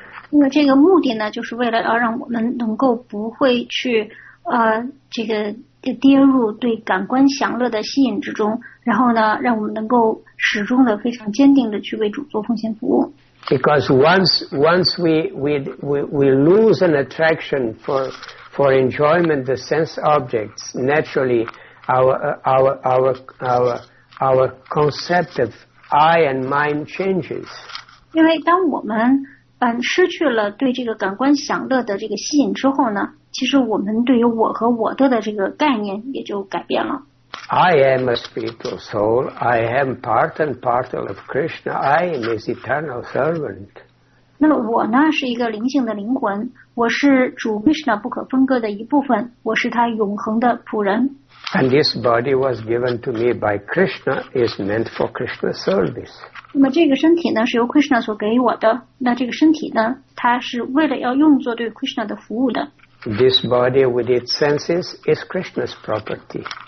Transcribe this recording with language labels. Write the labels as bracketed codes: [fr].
[zh] 那么这个目的呢，就是为了要让我们能够不会去这个跌入对感官享乐的吸引之中，然后呢，让我们能够始终的非常坚定的去为主做奉献服务。 [en] Because once we lose an attraction for enjoyment, the sense objects, naturally our concept of I and mine changes. [zh] 因为当我们失去了对这个感官享乐的这个吸引之后呢，其实我们对于我和我的这个概念也就改变了。 [en] I am a spiritual soul. I am part and parcel of Krishna. I am His eternal servant. [zh] 那么我呢是一个灵性的灵魂，我是主 Krishna 不可分割的一部分，我是他永恒的仆人。 [en] And this body was given to me by Krishna. Is meant for Krishna's service. [zh] 那么这个身体呢是由 Krishna 所给我的，那这个身体呢，它是为了要用作对 Krishna 的服务的。 [en] This body with its senses is Krishna's property.